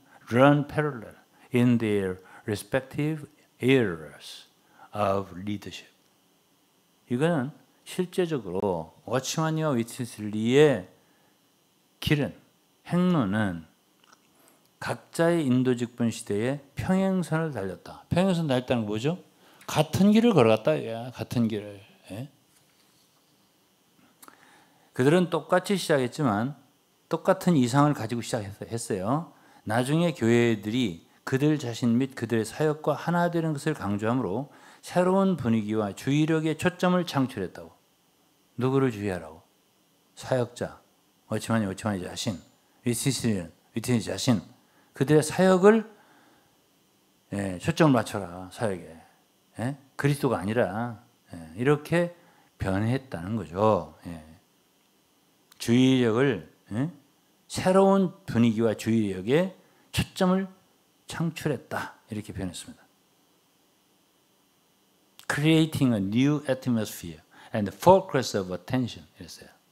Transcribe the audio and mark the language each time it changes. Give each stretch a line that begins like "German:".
English: Run parallel in their respective eras of leadership.
Korean: 이거는 실제적으로 워치만리와 위튼실리의 길은 행로는 각자의 인도직분 시대에 평행선을 달렸다. 평행선 달렸다는 게 뭐죠? 같은 길을 걸어갔다. 야, 같은 길을. 예? 그들은 똑같이 시작했지만 똑같은 이상을 가지고 시작했어요. 나중에 교회들이 그들 자신 및 그들의 사역과 하나 되는 것을 강조함으로 새로운 분위기와 주의력의 초점을 창출했다고. 누구를 주의하라고? 사역자, 워치만리, 워치만리 자신, 위튼실리 자신. 그들의 사역을 예, 초점을 맞춰라, 사역에. 예? 그리스도가 아니라 예, 이렇게 변했다는 거죠. 예. 주의력을 예? 새로운 분위기와 주의력에 초점을 창출했다 이렇게 표현했습니다.
English: Creating a new atmosphere and focus of attention
Korean: 이랬어요.